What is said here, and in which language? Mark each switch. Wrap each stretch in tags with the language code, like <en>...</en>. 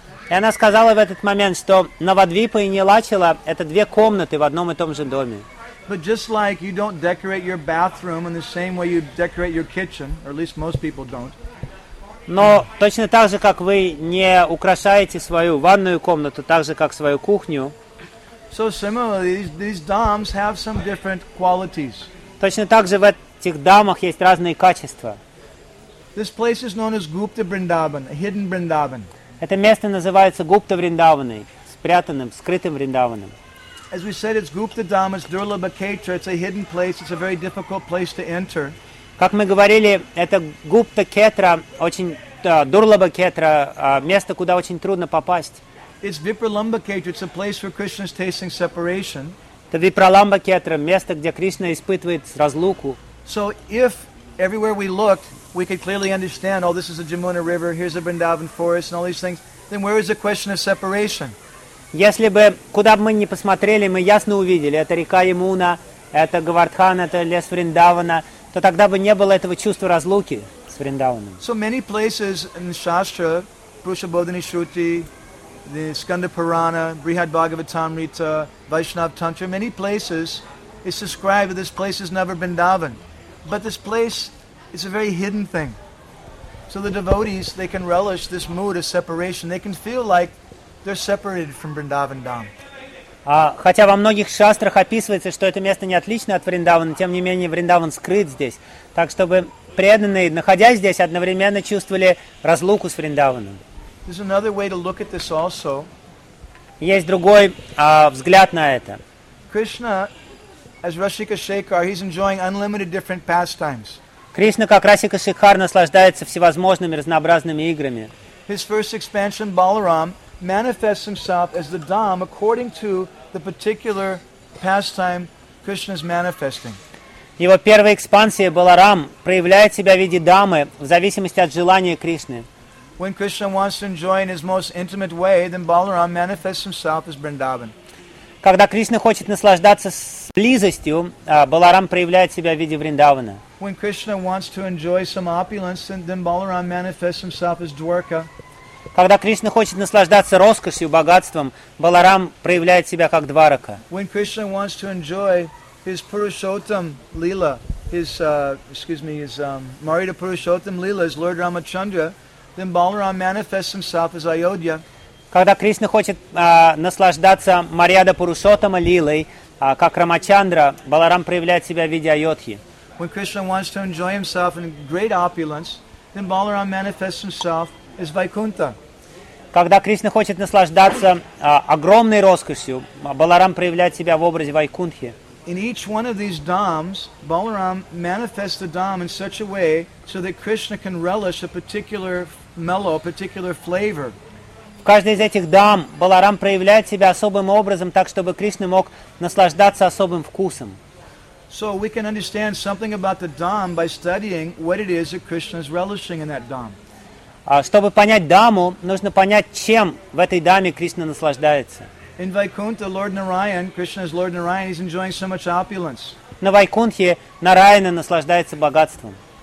<ru>И она сказала в этот момент, что Навадвипа и Нилачала – это две комнаты в одном и том же доме.</ru> <en>But just like you don't decorate your bathroom in the same way you decorate your kitchen, or at least most people don't.</en> <ru>Но точно так же, как вы не украшаете свою ванную комнату, так же, как свою кухню.</ru> <en>So similarly, these dhams have some different qualities.</en> <ru>Точно так же в этих дамах есть разные качества.</ru> <en>This place is known as Gupta Vrindavan, a hidden Vrindavan.</en> <ru>Это место называется Гупта Вриндаваной, спрятанным, скрытым Вриндаваном.</ru> <en>As we said, it's Gupta Dham, it's Durlabha Khetra, it's a hidden place, it's a very difficult place to enter.</en> <ru>Как мы говорили, это Гупта Кетра, Дурлабха Кетра, место, куда очень трудно попасть.</ru> <en>It's Vipralambha Khetra, it's a place where Krishna is tasting separation.</en> <ru>Это Vipralambha Khetra, место, где Кришна испытывает разлуку.</ru> <en>So if everywhere we looked, we could clearly understand, oh, this is the Jamuna River, here's the Vrindavan Forest, and all these things, then where is the question of separation?</en> <ru>Если бы, куда бы мы ни посмотрели, мы ясно увидели, это река Ямуна, это Говардхан, это лес Вриндавана, то тогда бы не было этого чувства разлуки с Вриндаваном.</ru> <en>So many places in Shastra, Purushabodhini Shruti, the Skanda Purana, Brihad Bhagavatamrita, Vaishnava Tantra, many places it's described that this place has never been Vrindavan. But this place is a very hidden thing. So the devotees, they can relish this mood of separation. They can feel like they're separated from Vrindavan Dham.</en> <ru>Хотя во многих шастрах описывается, что это место не отлично от Вриндавана, тем не менее Вриндаван скрыт здесь. Так, чтобы преданные, находясь здесь, одновременно чувствовали разлуку с Вриндаваном.</ru> <en>There's another way to look at this also.</en> <ru>Есть другой взгляд на это.</ru> <en>Krishna, as Rasika Shekhar, he's enjoying unlimited different pastimes.</en> <ru>Кришна, как Расика Шекхар, наслаждается всевозможными разнообразными играми.</ru> <en>His first expansion, Balaram, manifests himself as the Dham according to the particular pastime Krishna's manifesting.</en> <ru>Его первая экспансия, Баларам, проявляет себя в виде Дамы в зависимости от желания Кришны.</ru> <en>When Krishna wants to enjoy in his most intimate way, then Balaram manifests himself as Vrindavan.</en> <ru>Когда Кришна хочет наслаждаться близостью, Баларам проявляет себя в виде Вриндавана.</ru> <en>When Krishna wants to enjoy some opulence, then Balaram manifests himself as Dwarka.</en> <ru>Когда Кришна хочет наслаждаться роскошью, богатством, Баларам проявляет себя как Дварака.</ru> <en>When Krishna wants to enjoy his Purushottam Lila, Marita Purushottam Lila, his Lord Ramachandra, then Balaram manifests himself as Ayodhya.</en> <ru>Когда Кришна хочет наслаждаться Марьяда Пурушоттама Лилой, как Рамачандра, Баларам проявляет себя в виде Айодхи.</ru> <en>When Krishna wants to enjoy himself in great opulence, then Balaram manifests himself as Vaikuntha.</en> <ru>Когда Кришна хочет наслаждаться огромной роскошью, Баларам проявляет себя в образе Вайкунтхи.</ru> <en>In each one of these dhams, Balaram manifests the dham in such a way so that Krishna can relish a particular mellow, a particular flavor.</en> <ru>В каждой из этих дам Баларам проявляет себя особым образом, так чтобы Кришна мог наслаждаться особым вкусом.</ru> <en>So we can understand something about the dham by studying what it is that Krishna is relishing in that dham.</en> <ru>Чтобы понять даму, нужно понять, чем в этой даме Кришна наслаждается.</ru> <en>In Vaikuntha, Lord Narayan, Krishna's Lord Narayan, he's enjoying so much opulence.</en> <ru>На Вайкунтхе Нараяна наслаждается богатством.</ru>